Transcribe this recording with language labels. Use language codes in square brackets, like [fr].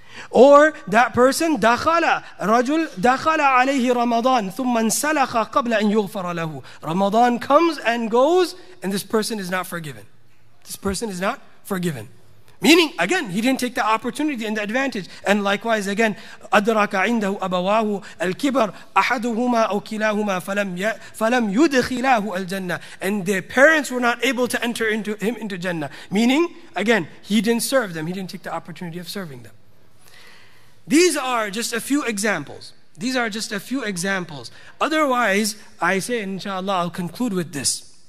[en] Or that person [ar] دخل رجل دخل عليه رمضان ثم انسلخ قبل أن يغفر له. [en] Ramadan comes and goes, and this person is not forgiven. This person is not forgiven. Meaning, again, he didn't take the opportunity and the advantage. And likewise, again, [ar] أدرك عنده أبواه الكبر أحدهما أو كلاهما فلم يدخلاه الجنة. [en] And their parents were not able to enter into him into Jannah. Meaning, again, he didn't serve them. He didn't take the opportunity of serving them. These are just a few examples. These are just a few examples. Otherwise, I say, inshallah, I'll conclude with this.